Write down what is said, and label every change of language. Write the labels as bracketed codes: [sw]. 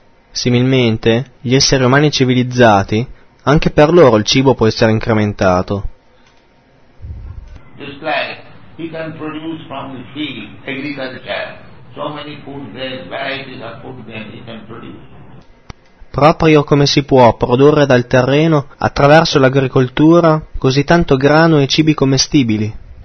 [it] Similmente, gli esseri umani civilizzati, anche per loro il cibo può essere incrementato. [en] Just like he can produce from the field, agriculture, so many food there, varieties of food there he can produce. [it] Proprio come si può produrre dal terreno, attraverso l'agricoltura, così tanto grano e cibi commestibili.